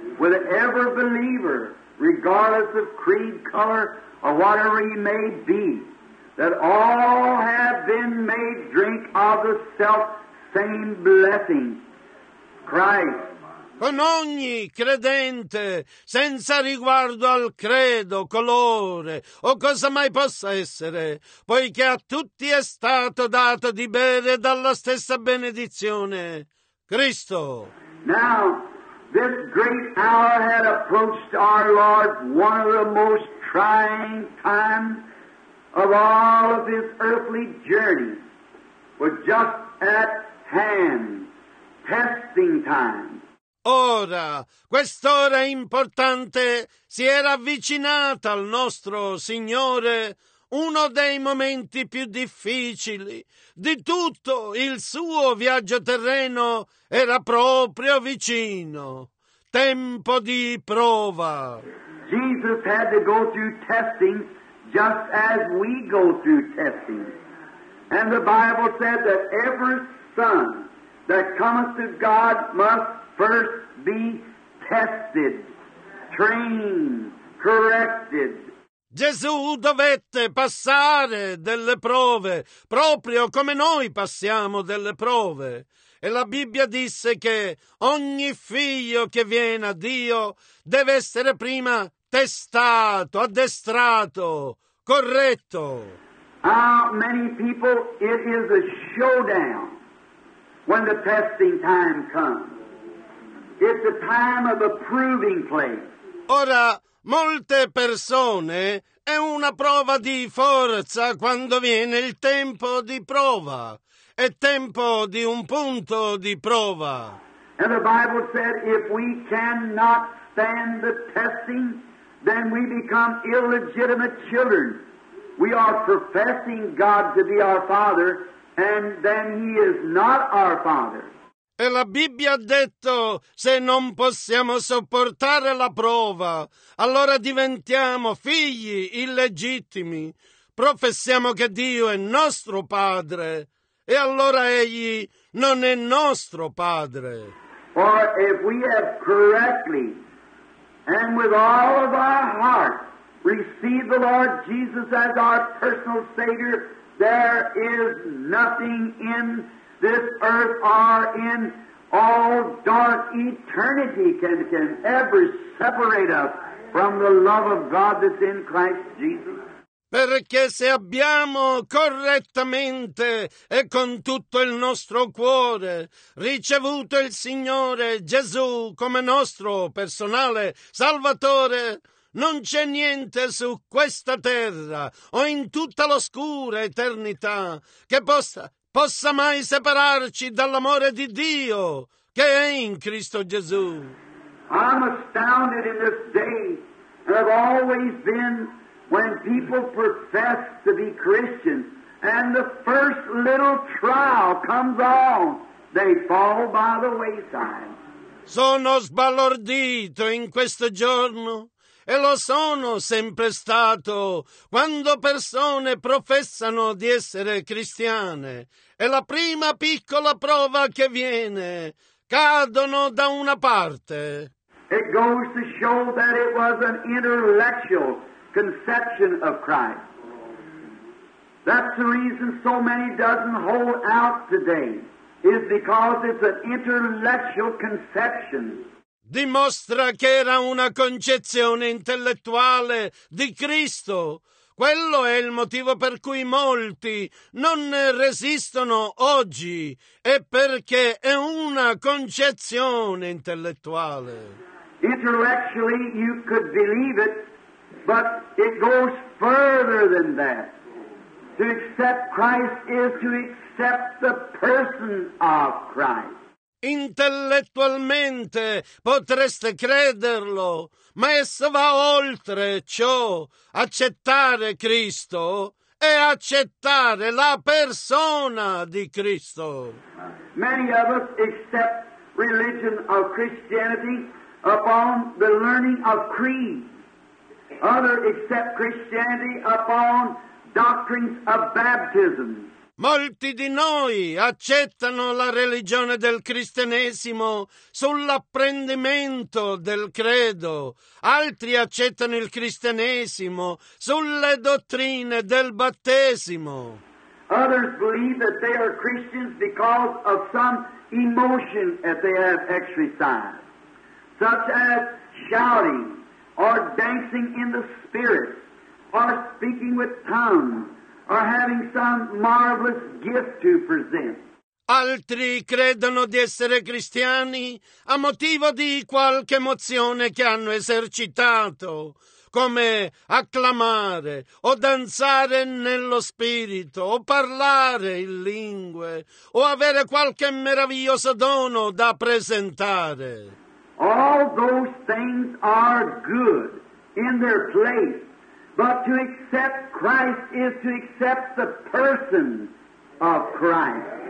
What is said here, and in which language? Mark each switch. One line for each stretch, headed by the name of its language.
English: With every believer, regardless of creed, color, or whatever he may be, that all have been made drink of the self-same blessing, Christ.
Italian: Con ogni credente, senza riguardo al credo, colore o cosa mai possa essere, poiché a tutti è stato dato di bere dalla stessa benedizione, Cristo.
English: Now, this great hour had approached our Lord one of the most trying times of all of his earthly journey, was just at hand, testing time.
Italian: Ora, quest'ora importante si era avvicinata al nostro Signore, uno dei momenti più difficili di tutto il suo viaggio terreno era proprio vicino. Tempo di prova.
English: Jesus had to go through testing just as we go through testing. And the Bible said that every son that cometh to God must first be tested, trained, corrected.
Italian: Gesù dovette passare delle prove, proprio come noi passiamo delle prove. E la Bibbia disse che ogni figlio che viene a Dio deve essere prima testato, addestrato, corretto.
English: How many people it is a showdown when the testing time comes. It's a time of a proving place.
Italian: Ora, molte persone è una prova di forza quando viene il tempo di prova. È tempo di un punto di prova.
English: And the Bible said if we cannot stand the testing, then we become illegitimate children. We are professing God to be our Father, and then He is not our Father.
Italian: E la Bibbia ha detto, se non possiamo sopportare la prova, allora diventiamo figli illegittimi, professiamo che Dio è nostro Padre, e allora Egli non è nostro Padre.
English: For if we have correctly and with all of our heart received the Lord Jesus as our personal Savior, there is nothing in this earth are in all dark eternity can ever separate us from the love of God that's in Christ Jesus.
Italian: Perché se abbiamo correttamente e con tutto il nostro cuore ricevuto il Signore Gesù come nostro personale Salvatore, non c'è niente su questa terra o in tutta l'oscura eternità che possa mai separarci dall'amore di Dio che è in Cristo Gesù.
English: I'm astounded in this day, and I've always been, when people profess to be Christians, and the first little trial comes on, they fall by the wayside.
Italian: Sono sbalordito in questo giorno e lo sono sempre stato quando persone professano di essere cristiane e la prima piccola prova che viene cadono da una parte.
English: It goes to show that it was an intellectual conception of Christ. That's the reason so many doesn't hold out today, is because it's an intellectual conception.
Italian: Dimostra che era una concezione intellettuale di Cristo. Quello è il motivo per cui molti non resistono oggi, è perché è una concezione intellettuale.
English: Intellectually you could believe it, but it goes further than that. To accept Christ is to accept the person of Christ.
Italian: Intellettualmente potreste crederlo, ma esso va oltre ciò. Accettare Cristo è accettare la persona di Cristo.
English: Many of us accept religion of Christianity upon the learning of creed. Others accept Christianity upon doctrines of baptism.
Italian: Molti di noi accettano la religione del cristianesimo sull'apprendimento del credo. Altri accettano il cristianesimo sulle dottrine del battesimo.
English: Others believe that they are Christians because of some emotion that they have exercised, such as shouting or dancing in the spirit or speaking with tongues. Or having some marvelous gift to present.
Italian: Altri credono di essere cristiani a motivo di qualche emozione che hanno esercitato, come acclamare o danzare nello spirito o parlare in lingue o avere qualche meraviglioso dono da presentare.
English: All those things are good in their place. But to accept Christ is to accept the person of Christ.